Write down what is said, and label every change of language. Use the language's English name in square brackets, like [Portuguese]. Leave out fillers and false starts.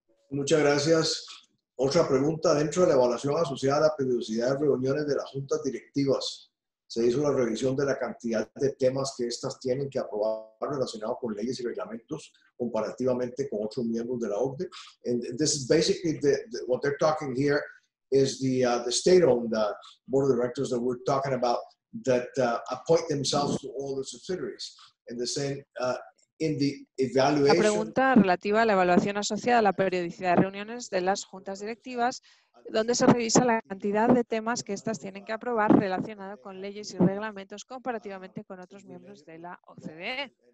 [Spanish] Muchas gracias. Otra pregunta, dentro de la evaluación asociada a la periodicidad de reuniones de las juntas directivas, se hizo una revisión de la cantidad de temas que estas tienen que aprobar relacionados con leyes y reglamentos comparativamente con otros miembros de la OCDE. [English] And this is basically what they're talking here is the state-owned board of directors that we're talking about that appoint themselves to all the subsidiaries. And they're saying in the evaluation... [Spanish] La pregunta relativa a la evaluación asociada a la periodicidad de reuniones de las juntas directivas, donde se revisa la cantidad de temas que estas tienen que aprobar relacionado con leyes y reglamentos comparativamente con otros miembros de la OCDE.